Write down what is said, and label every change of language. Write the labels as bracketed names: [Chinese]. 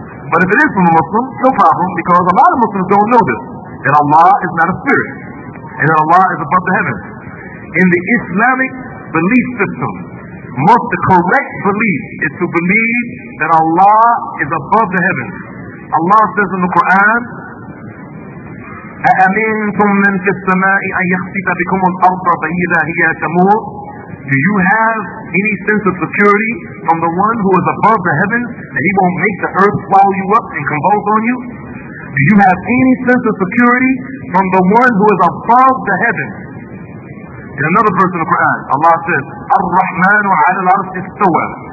[English] But if it is from a Muslim, no problem, because a lot of Muslims don't know this, that Allah is not a spirit. And Allah is above the heavens. In the Islamic belief system, most the correct belief is to believe that Allah is above the heavens. Allah says in the Quran, [Arabic] أَأَمِنْتُمْ مَنْ فِي السَّمَاءِ أَنْ يَخْسِفَ بِكُمُ الْأَرْضَ فَإِذَا هِيَ تَمُورُ. [English] Do you have any sense of security from the one who is above the heavens that he won't make the earth swallow you up and convulse on you? Do you have any sense of security from the one who is above the heavens? In another verse in the Quran, Allah says, [Arabic] Ar-Rahmanu ala al-arshi istawa.